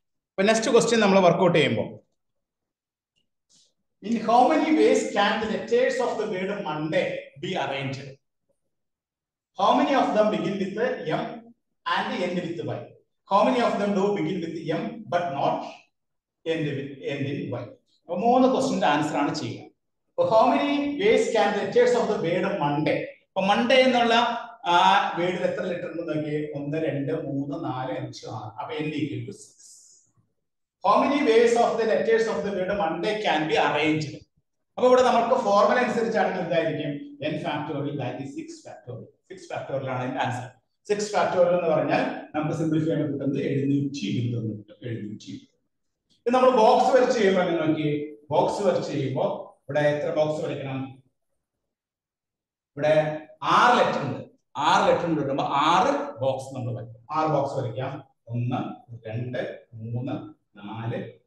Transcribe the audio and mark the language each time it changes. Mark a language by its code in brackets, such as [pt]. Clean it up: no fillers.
[ml] അപ്പോൾ next question നമ്മൾ workout ചെയ്യുമ്പോൾ, [en] in how many ways can the letters of the word Monday be arranged? How many of them begin with M and end with Y? How many of them do begin with M but not end in Y? [ml] അപ്പോൾ മൂന്ന് question-ന്റെ answer ആണ് ചെയ്യുക. [en] അപ്പൊ how many ways can the letters of the word Monday? [ml] അപ്പൊ Monday എന്നുള്ള ആ വേർഡിൽ എത്ര letter ഉണ്ടെന്ന് നോക്കിയേ? 1, 2, 3, 4, 5, 6. അപ്പൊ N equal to 6. [en] how many ways of the letters of the word Monday can be arranged. [ml] അപ്പോൾ ഇവിടെ നമുക്ക് ഫോർമുല അനുസരിച്ചാണ് എന്തായിരിക്കും n factorial by 6 factorial 6 factorial ആണ് അതിന്റെ ആൻസർ 6 ഫാക്ടോറിയൽ എന്ന് പറഞ്ഞാൽ നമുക്ക് സിംപ്ലിഫൈ ചെയ്യാൻ കിട്ടുന്നത് 721 കിട്ടും 721 ഇനി നമ്മൾ ബോക്സ് വർക്ക് ചെയ്യുമ്പോൾ നിങ്ങൾ നോക്കി ബോക്സ് വർക്ക് ചെയ്യുമ്പോൾ ഇവിടെ എത്ര ബോക്സ് വരയ്ക്കണം ഇവിടെ 6 ലെറ്റർ ഉണ്ട് 6 ലെറ്റർ ഉണ്ട് വരുമ്പോൾ 6 ബോക്സ് നമ്മൾ വരയ്ക്കും 6 ബോക്സ് വരയ്ക്കാം 1 2 3 4 5